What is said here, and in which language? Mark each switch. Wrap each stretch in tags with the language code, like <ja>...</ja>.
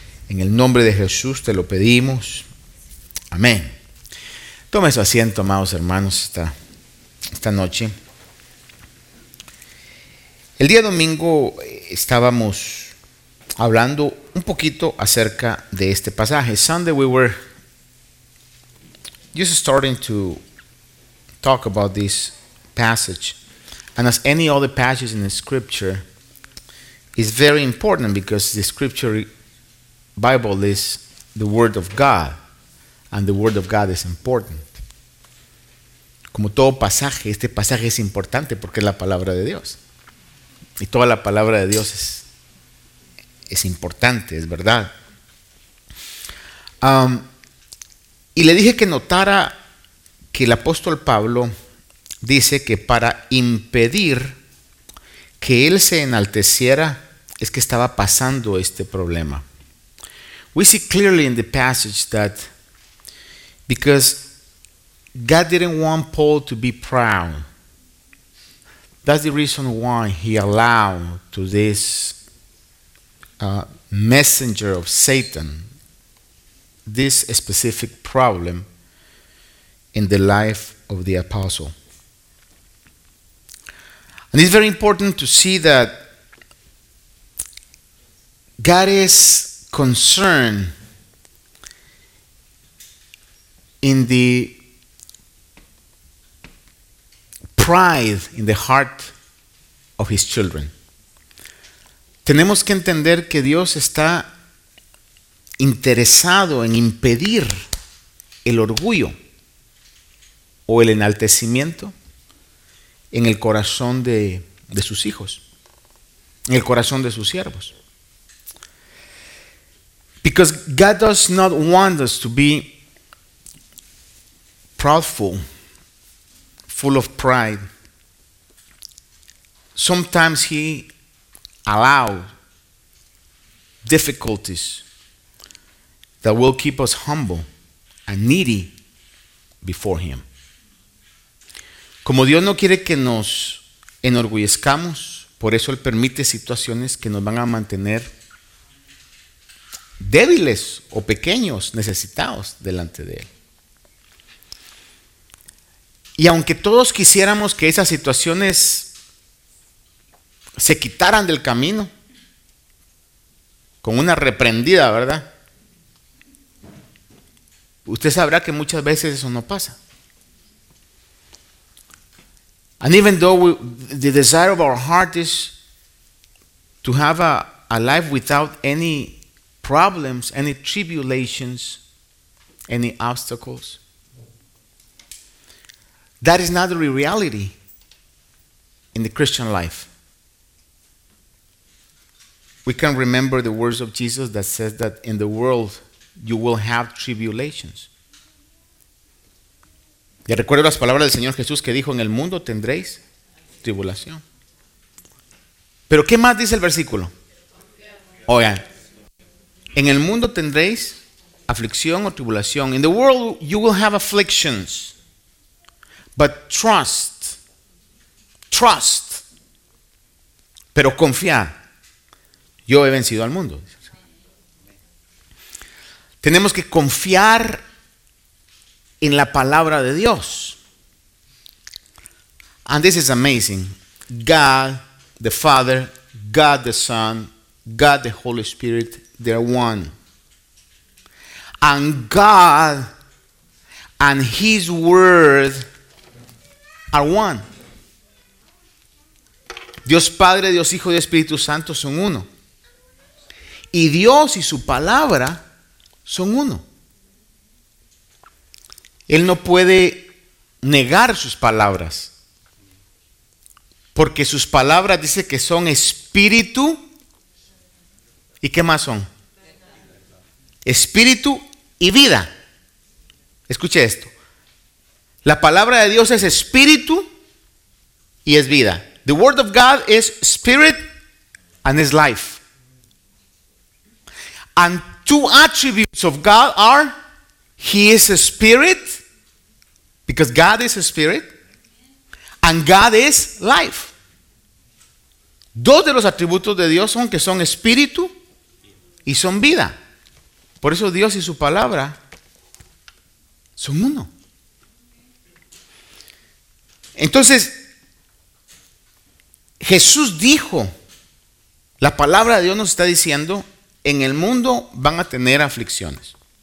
<es>En el nombre de Jesús te lo pedimos. Amén. Tome su asiento, amados hermanos, esta noche. El día domingo estábamos hablando un poquito acerca de este pasaje.</es> <en>Sunday we were just starting to talk about this passage. And as any other passage in the scripture, it's very important because the scripture Bible is the word of God, and the word of God is important.</en> <es>Como todo pasaje, este pasaje es importante porque es la palabra de Dios. Y toda la palabra de Dios es importante, es verdad. Y le dije que notara que el apóstol Pablo dice que para impedir que él se enalteciera es que estaba pasando este problema.</es> <en>We see clearly in the passage that because God didn't want Paul to be proud, that's the reason why he allowed to this messenger of Satan this specific problem in the life of the apostle. And it's very important to see that God is concerned in the pride in the heart of his children.</en> <es>Tenemos que entender que Dios está interesado en impedir el orgullo o el enaltecimiento en el corazón de sus hijos, en el corazón de sus siervos.</es> <en>Because God does not want us to be proudful, full of pride. Sometimes he allows difficulties that will keep us humble and needy before him.</en> <es>Como Dios no quiere que nos enorgullezcamos, por eso él permite situaciones que nos van a mantener débiles o pequeños, necesitados delante de él. Y aunque todos quisiéramos que esas situaciones se quitaran del camino con una reprendida, ¿verdad? Usted sabrá que muchas veces eso no pasa.</es> <en>And even though the desire of our heart is to have a life without any problems, any tribulations, any obstacles, that is not the reality in the Christian life. We can remember the words of Jesus that says that in the world you will have tribulations.</en> <es>Y recuerdo las palabras del Señor Jesús que dijo, en el mundo tendréis tribulación. ¿Pero qué más dice el versículo? Oigan, en el mundo tendréis aflicción o tribulación.</es> <en>In the world you will have afflictions. But trust. Trust.</en> <es>Pero confía. Yo he vencido al mundo. Tenemos que confiar en la palabra de Dios.</es> <en>And this is amazing. God, the Father, God, the Son, God, the Holy Spirit, they're one. And God and His Word are one.</en> <es>Dios Padre, Dios Hijo y Espíritu Santo son uno. Y Dios y su palabra son uno. Él no puede negar sus palabras, porque sus palabras dice que son espíritu, ¿y qué más son? Espíritu y vida. Escuche esto, la palabra de Dios es espíritu y es vida.</es> <en>The word of God is spirit and is life. And two attributes of God are, He is a spirit. Because God is a spirit and God is life.</en> <es>Dos de los atributos de Dios son que son espíritu y son vida. Por eso Dios y su palabra son uno. Entonces, Jesús dijo, la palabra de Dios nos está diciendo, en el mundo van a tener aflicciones.</es>